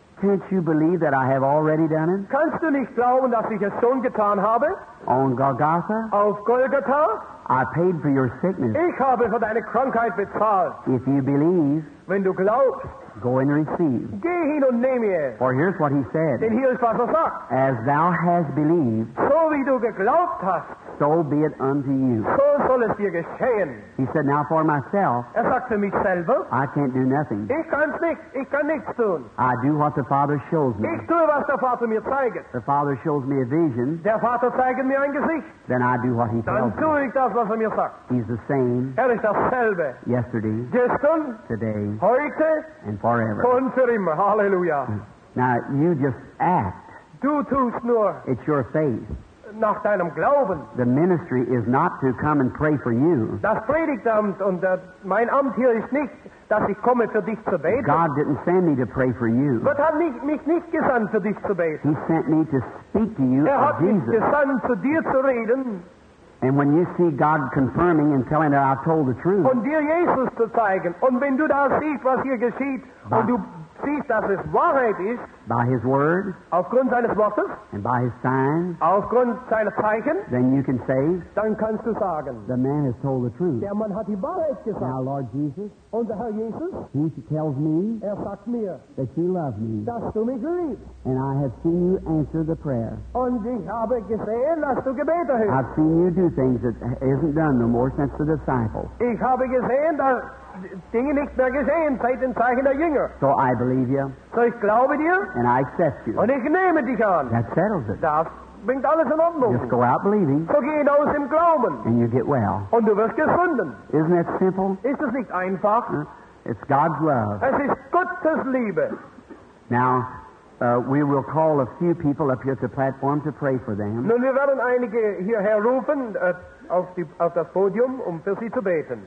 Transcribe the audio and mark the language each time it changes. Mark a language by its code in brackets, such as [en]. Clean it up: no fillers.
[en] can't you believe that I have already done it? [de] Kannst du nicht glauben, dass ich es schon getan habe? [en] On Golgotha? [de] Auf Golgotha? [en] I paid for your sickness. [de] Ich habe für deine Krankheit bezahlt. [en] If you believe, [de] wenn du glaubst, [en] go and receive. [de] Geh hin und nehme es. [en] For here's what he said. [de] Denn hier ist was er sagt. [en] As thou hast believed, [de] so wie du geglaubt hast, [en] so be it unto you. [de] So soll es dir geschehen. [en] He said, now for myself, [de] er sagt für mich selber, [en] I can't do nothing. [de] Ich kann's nicht. Ich kann nichts tun. [en] I do what the Father shows me. [de] Ich tue, was der Vater mir zeigt. [en] The Father shows me a vision. [de] Der Vater zeigt mir ein Gesicht. [en] Then I do what he [de] dann [en] tells me. [de] Dann tue ich das, was er mir sagt. [en] He's the same. [de] Er ist dasselbe. [en] Yesterday. [de] Gestern. [en] Today. [de] Heute. [en] And forever. [de] Und für immer. Hallelujah. [en] Now, you just act. [de] Du tust nur. [en] It's your faith. [de] Nach deinem Glauben. [en] The ministry is not to come and pray for you. [de] Das Predigtamt und mein Amt hier ist nicht, dass ich komme für dich zu beten. [en] God didn't send me to pray for you. [de] Gott hat mich nicht gesandt für dich zu beten. [en] He sent me to speak to you [de] Er hat mich gesandt zu dir zu reden. [en] And when you see God confirming and telling that I told the truth. [de] Und dir Jesus zu zeigen. Und wenn du da siehst, was hier geschieht, und du siehst, dass es Wahrheit ist. [en] by his word, [de] aufgrund seines Wortes, [en] and by his signs, [de] aufgrund seines Zeichen, [en] then you can say, [de] dann kannst du sagen, [en] the man has told the truth. [de] Der Mann hat die Wahrheit gesagt. [en] Now, Lord Jesus, [de] und der Herr Jesus, [en] he tells me, [de] er sagt mir, [en] that you love me, [de] dass du mich liebst. [en] And I have seen you answer the prayer. [de] Und ich habe gesehen, dass du gebetet hast. [en] I've seen you do things that isn't done no more since the disciples. [de] Ich habe gesehen, dass Dinge nicht mehr gesehen seit den Zeichen der Jünger. [en] So I believe you. [de] So ich glaube dir. [en] And I accept you. [de] Und ich nehme dich an. [en] That settles it. [de] Das bringt alles in Ordnung. [en] Just go out believing. [de] So geh aus im Glauben. [en] And you get well. [de] Und du wirst gesunden. [en] Isn't that simple? [de] Ist das nicht einfach? [en] It's God's love. [de] Es ist Gottes Liebe. [en] Now, we will call a few people up here at the platform to pray for them. [de] Nun, wir werden einige hierher rufen, auf das Podium, um für sie zu beten.